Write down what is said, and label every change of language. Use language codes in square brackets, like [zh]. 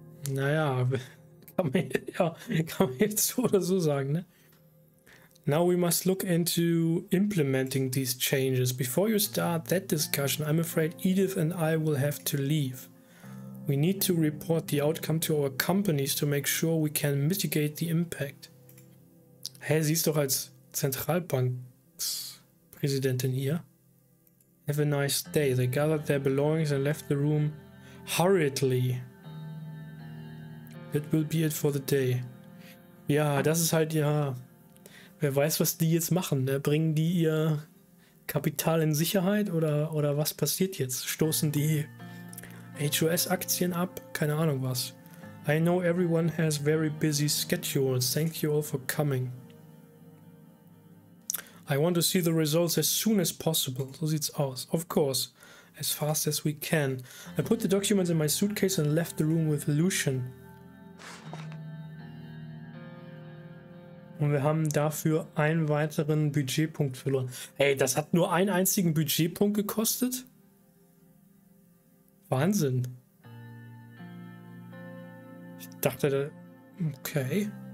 [de] Naja, kann man jetzt so oder so sagen, ne? [en] Now we must look into implementing these changes. Before you start that discussion, I'm afraid Edith and I will have to leave. We need to report the outcome to our companies to make sure we can mitigate the impact. [de] Hä, sie ist doch als Zentralbankpräsidentin hier. [en] Have a nice day. They gathered their belongings and left the room hurriedly. That will be it for the day. [de] Ja, das ist halt, ja. Wer weiß, was die jetzt machen. Ne? Bringen die ihr Kapital in Sicherheit oder was passiert jetzt? Stoßen die HOS-Aktien ab? Keine Ahnung was. [en] I know everyone has very busy schedules. Thank you all for coming. I want to see the results as soon as possible. [de] So sieht's aus. [en] Of course, as fast as we can. I put the documents in my suitcase and left the room with Lucian. [de] Und wir haben dafür einen weiteren Budgetpunkt verloren. Hey, das hat nur einen einzigen Budgetpunkt gekostet? Wahnsinn. Ich dachte, okay.